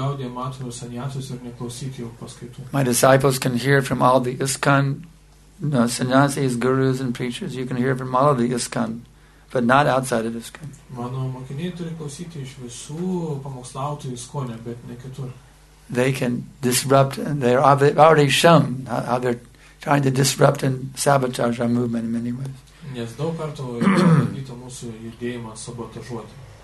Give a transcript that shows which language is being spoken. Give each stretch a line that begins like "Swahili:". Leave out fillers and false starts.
English: My disciples can hear from all the ISKCON sannyasis, gurus and preachers. You can hear from all of the ISKCON, but not outside of ISKCON.
Lithuanian: Mano mokiniai turi klausyti iš visų pamokslautų ISKCON, bet ne kitur.
English: They can disrupt, and they're already shown how they're trying to disrupt and sabotage our movement in many ways.
Lithuanian: Nes daug kartų bandyta mūsų judėjimą sabotažuoti.